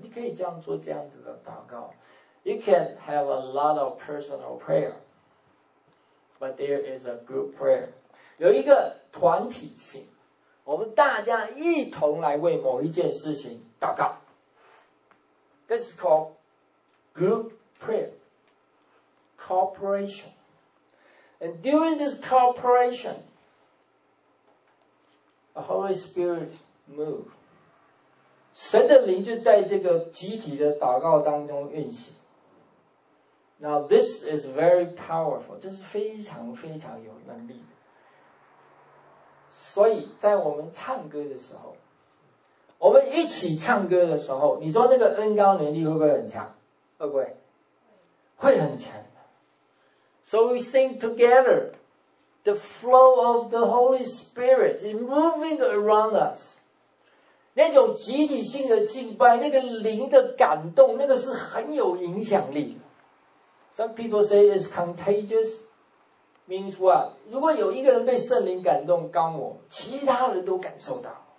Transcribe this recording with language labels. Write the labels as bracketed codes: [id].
[zh] 你可以这样做这样子的祷告。 [en] You can have a lot of personal prayer, but there is a group prayer. [zh] 有一个团体性，我们大家一同来为某一件事情祷告。 [en] This is called group prayer. Cooperation. And during this cooperation, the Holy Spirit moved. [zh] 神的灵就在这个集体的祷告当中运行。 [en] Now this is very powerful. [zh] 这是非常非常有能力的。所以在我们唱歌的时候，我们一起唱歌的时候，你说那个恩膏能力会不会很强？会不会？会很强。 [en] So we sing together, the flow of the Holy Spirit is moving around us. [zh] 那种集体性的敬拜，那个灵的感动，那个是很有影响力的。 [en] Some people say it's contagious, means what? [zh] 如果有一个人被圣灵感动，高我，其他人都感受到。